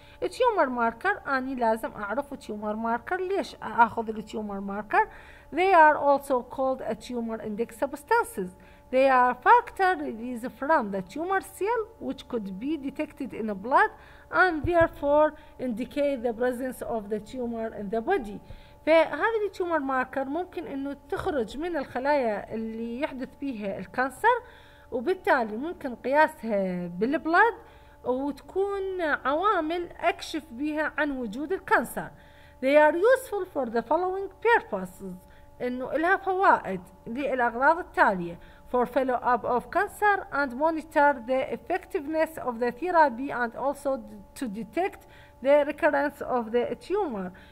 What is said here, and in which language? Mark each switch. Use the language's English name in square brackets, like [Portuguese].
[Arabic] التيومر ماركر أني لازم أعرف التيومر ماركر، ليش أخذ التيومر ماركر؟ [English] They are also called a tumor index substances. They are factors released from the tumor cell which could be detected in the blood and therefore indicate the presence of the tumor in the body. [Arabic] فهذه التيومر ماركر ممكن أنه تخرج من الخلايا اللي يحدث فيها الكانسر، وبالتالي ممكن قياسها بالبلد وتكون عوامل أكشف بها عن وجود الكانسر. [English] They are useful for the following purposes. [Arabic] إنه لها فوائد للأغراض التالية: [English] for follow-up of cancer and monitor the effectiveness of the therapy and also to detect the recurrence of the tumor.